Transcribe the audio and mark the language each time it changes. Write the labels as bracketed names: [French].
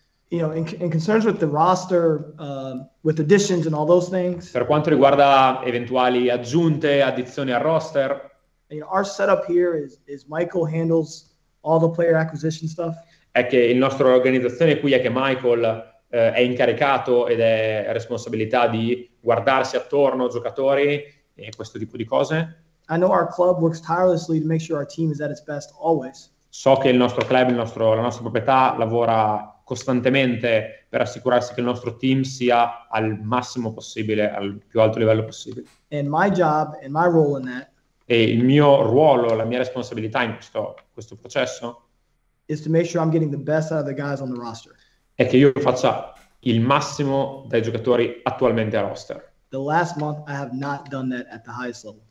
[English] You know, in concerns with the roster, with additions and all those things. [Italian] Per quanto riguarda eventuali aggiunte, addizioni al roster. [English] You know, our setup here is Michael handles all the player acquisition stuff. [Italian] È che il nostro organizzazione qui è che Michael è incaricato ed è responsabilità di guardarsi attorno giocatori e questo tipo di cose. [English] I know our club works tirelessly to make sure our team is at its best always. [Italian] So che il nostro club, la nostra proprietà lavora costantemente per assicurarsi che il nostro team sia al massimo possibile, al più alto livello possibile. [English] And my job and my role in that. [Italian] E il mio ruolo, la mia responsabilità in questo processo [English] is to make sure I'm getting the best out of the guys on the roster. [Italian] È che io faccia il massimo dai giocatori attualmente a roster. [English] The last month I have not done that at the highest level.